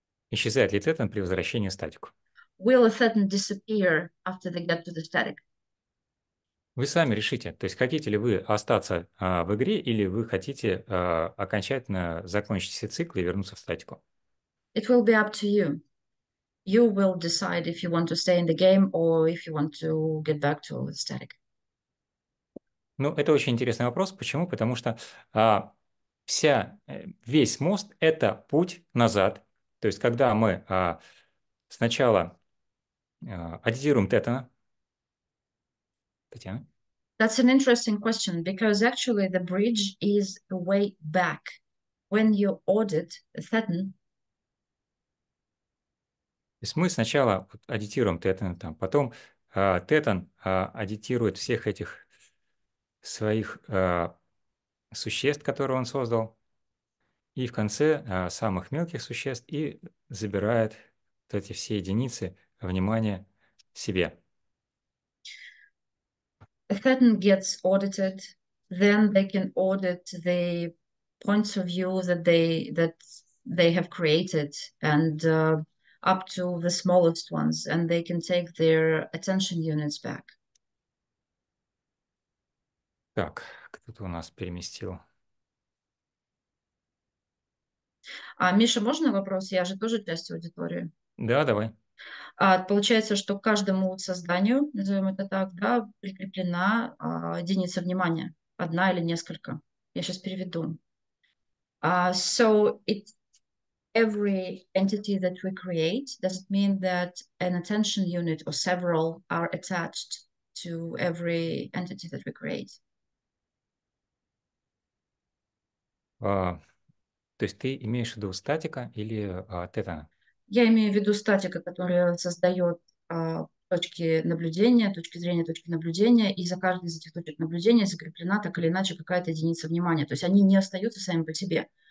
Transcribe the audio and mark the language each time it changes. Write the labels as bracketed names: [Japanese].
[Russian] Исчезает ли Thetan при возвращении в статику? [English] Will a Thetan disappear after they get to the static? [Russian] Вы сами решите, то есть хотите ли вы остаться в игре, или вы хотите окончательно закончить все циклы и вернуться в статику. [English] It will be up to you. You will decide if you want to stay in the game or if you want to get back to the static. [Russian] Ну, это очень интересный вопрос. Почему? Потому что вся, весь мост – это путь назад. То есть когда мы сначала аддитируем тетана, Татьяна? [English] That's an interesting question, because actually the bridge is a way back. When you audit the thetan... [Russian] То есть мы сначала аддитируем тетана там, потом тетан аддитирует всех этих своих существ, которые он создал, и в конце самых мелких существ, и забирает вот эти все единицы внимания себе. [English] Thetan gets audited, then they can audit the points of view that they have created, and up to the smallest ones, and they can take their attention units back. [Russian] Так, кто-то у нас переместил. А Миша, можно вопрос? Я же тоже часть аудитории. Да, давай. Получается, что каждому созданию, назовем это так, да, прикреплена единица внимания, одна или несколько. Я сейчас переведу. [English] So it every entity that we create, does it mean that an attention unit or several are attached to every entity that we create? [Russian] То есть ты имеешь в виду статика или тетана? Я имею в виду статика, которая создает точки наблюдения, точки зрения, точки наблюдения, и за каждой из этих точек наблюдения закреплена так или иначе какая-то единица внимания. То есть они не остаются сами по себе.